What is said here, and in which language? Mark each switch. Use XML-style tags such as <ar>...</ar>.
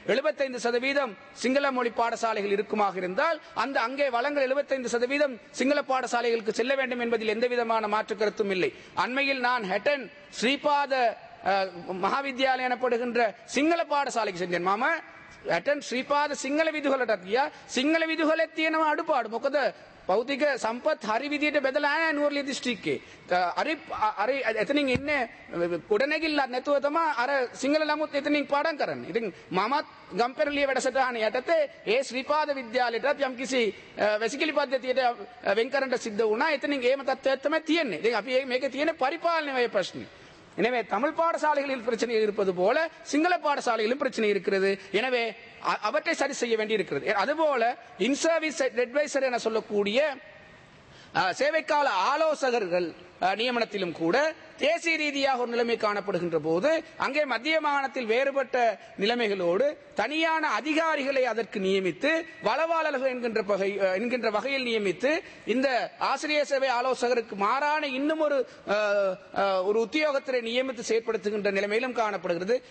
<ta>75% சிங்கள மொழி பாடசாலைகள் இருக்குமாக இருந்தால் அந்த அங்கே வளங்கள் 75% சிங்கள பாடசாலைகளுக்கு செல்ல வேண்டும் என்பதில் எந்த விதமான மாற்று கருத்தும் இல்லை. அண்மையில் நான் ஹெட்டன் ஸ்ரீபாத மகாவித்யாலயம் எனப்படுகின்ற சிங்கள பாடசாலைக்கு சென்றேன். மாமா ஹெட்டன் ஸ்ரீபாத சிங்கள விதுகள் சிங்கள விதுகளை தீனமா அடுப்பாடு</ta> <si>භෞතික සම්පත් හරි විදිහට බෙදලා නැහැ නුවරළිය දිස්ත්‍රික්කේ. අර අර එතනින් ඉන්නේ ගොඩනැගිල්ලක් නැතුව තමයි අර සිංහල ළමොත් එතනින් පාඩම් කරන්නේ. ඉතින් මමත් ගම්පෙරළිය වැඩසටහන යටතේ ඒ ශ්‍රීපාද විද්‍යාලයටත් යම්කිසි වැසිකිලි පද්ධතියට වෙන්කරන්න සිද්ධ වුණා. එතනින් ඒම තත්ත්වයක් තමයි තියෙන්නේ. ඉතින් අපි මේකේ තියෙන පරිපාලනයේ ප්‍රශ්නේ.</si> <ta>எனவே தமிழ் பாடசாலைகளில் பிரச்சனை இருப்பது போல சிங்கள பாடசாலைகளிலும் பிரச்சனை இருக்கிறது. எனவே அவற்றை சரி செய்ய வேண்டியிருக்கிறது. அதுபோல இன் சர்வீஸ் அட்வைசர் என சொல்லக்கூடிய சேவைக்கால ஆலோசகர்கள் நியமனத்திலும் கூட தேசிய ரீதியாக ஒரு நிலைமை காணப்படுகின்ற போது அங்கே மத்திய மாகாணத்தில் வேறுபட்ட நிலைமைகளோடு தனியான அதிகாரிகளை அதற்கு நியமித்து வளவாளர்கள் என்கின்ற வகையில் நியமித்து இந்த ஆசிரியர் சேவை ஆலோசகருக்கு மாறான இன்னும் ஒரு ஒரு உத்தியோகத்தினை நியமித்து செயற்படுத்துகின்ற நிலைமையிலும் காணப்படுகிறது.</ta>